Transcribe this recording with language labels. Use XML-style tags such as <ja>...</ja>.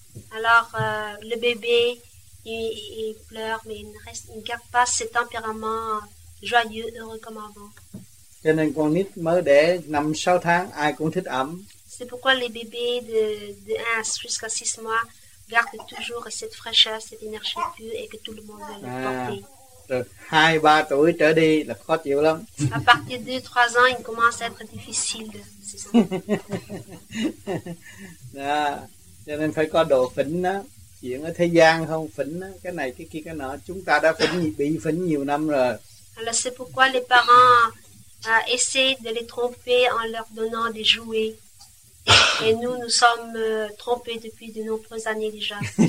<fr>Alors le bébé il pleure mais il garde pas ce tempérament joyeux heureux comme avant.</fr> <vi>Cho nên con nít mới đẻ 5-6 tháng ai cũng thích ấm.</vi> <fr>C'est pourquoi les bébés de 1 jusqu'à 6 mois garde toujours cette fraîcheur, cette énergie pure et que tout le monde veut porter.</fr> <vi>2-3 tuổi trở đi là khó chịu lắm.</vi> <fr>À partir de 2-3 ans, il commence à être difficile. C'est ça.</fr> <vi>Cho nên phải có đồ phỉnh đó. Chuyện ở thế gian không phỉnh đó. Cái này, cái kia, cái nọ. Chúng ta đã bị phỉnh nhiều năm rồi.</vi> <fr>Alors c'est pourquoi les parents essaient de les tromper en leur donnant des jouets. Et nous sommes trompés depuis de nombreuses années déjà.</fr>